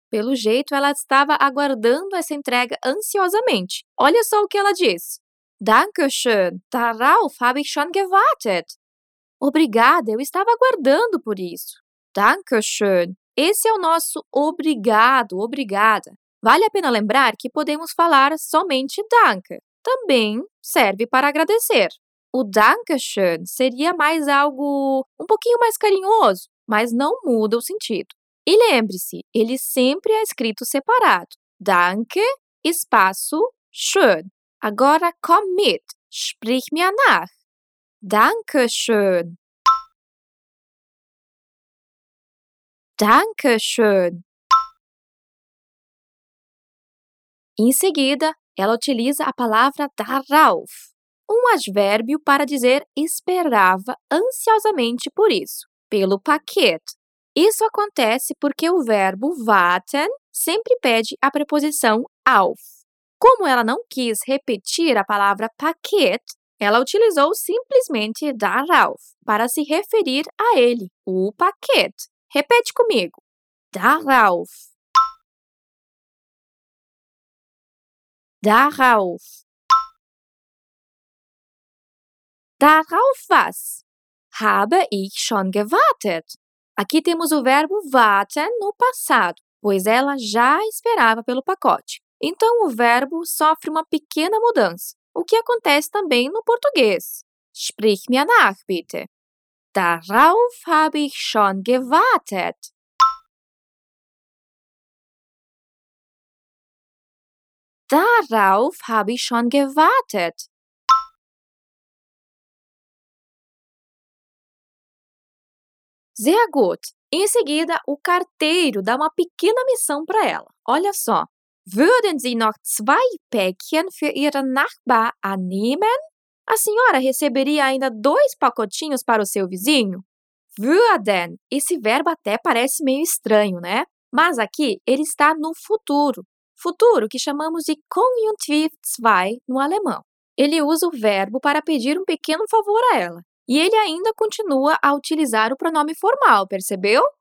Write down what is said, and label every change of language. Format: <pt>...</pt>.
<pt>Pelo jeito, ela estava aguardando essa entrega ansiosamente. Olha só o que ela diz.</pt> <de>Dankeschön, darauf habe ich schon gewartet.</de> <pt>Obrigada, eu estava aguardando por isso.</pt> <de>Dankeschön.</de> <pt>Esse é o nosso obrigado, obrigada. Vale a pena lembrar que podemos falar somente danke. Também serve para agradecer. O Dankeschön seria mais algo um pouquinho mais carinhoso, mas não muda o sentido. E lembre-se, ele sempre é escrito separado.</pt> <de>Danke,</de> <pt>espaço,</pt> <de>schön.</de> <pt>Agora,</pt> <de>komm mit, sprich mir nach. Dankeschön. Dankeschön.</de> <pt>Em seguida, ela utiliza a palavra darauf, um advérbio para dizer esperava ansiosamente por isso, pelo paquete. Isso acontece porque o verbo warten sempre pede a preposição auf. Como ela não quis repetir a palavra paquete, ela utilizou simplesmente darauf para se referir a ele, o paquete. Repete comigo.</pt> <de>Darauf. Darauf. Darauf was? Habe ich schon gewartet?</de> <pt>Aqui temos o verbo warten no passado, pois ela já esperava pelo pacote. Então, o verbo sofre uma pequena mudança, o que acontece também no português.</pt> <de>Sprich mir nach, bitte. Darauf habe ich schon gewartet. Darauf habe ich schon gewartet. Sehr gut.</de> <pt>Em seguida, o carteiro dá uma pequena missão para ela. Olha só.</pt> <de>Würden Sie noch zwei Päckchen für Ihren Nachbar annehmen?</de> <pt>A senhora receberia ainda dois pacotinhos para o seu vizinho? Würden. Esse verbo até parece meio estranho, né? Mas aqui ele está no futuro. Futuro que chamamos de Konjunktiv 2 no alemão. Ele usa o verbo para pedir um pequeno favor a ela. E ele ainda continua a utilizar o pronome formal, percebeu?</pt>